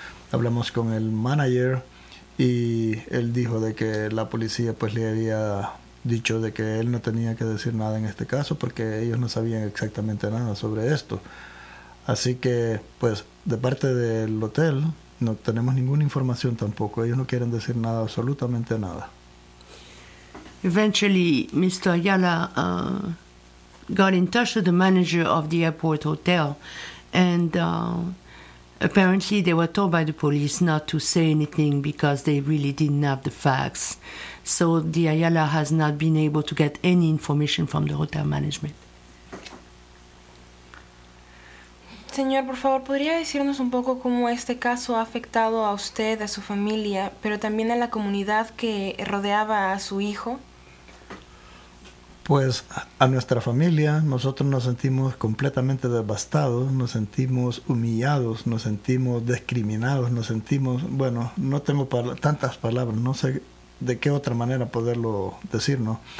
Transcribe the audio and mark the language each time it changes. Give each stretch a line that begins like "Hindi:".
Spanish: Hablamos con el manager y él dijo de que la policía pues le había dicho de que él no tenía que decir nada en este caso porque ellos no sabían exactamente nada sobre esto. Así que, pues, de parte del hotel no tenemos ninguna información tampoco. Ellos no quieren decir nada, absolutamente nada.
English: Eventually, Mr. Ayala got in touch with the manager of the airport hotel, and apparently they were told by the police not to say anything because they really didn't have the facts. So the Ayala has not been able to get any information from the hotel management.
Spanish: Señor, por favor, ¿podría decirnos un poco cómo este caso ha afectado a usted, a su familia, pero también a la comunidad que rodeaba a su hijo? Pues a nuestra familia, nosotros nos sentimos completamente devastados, nos sentimos humillados, nos sentimos discriminados, nos sentimos, bueno, no tengo tantas palabras, no sé de qué otra manera poderlo decir, ¿no?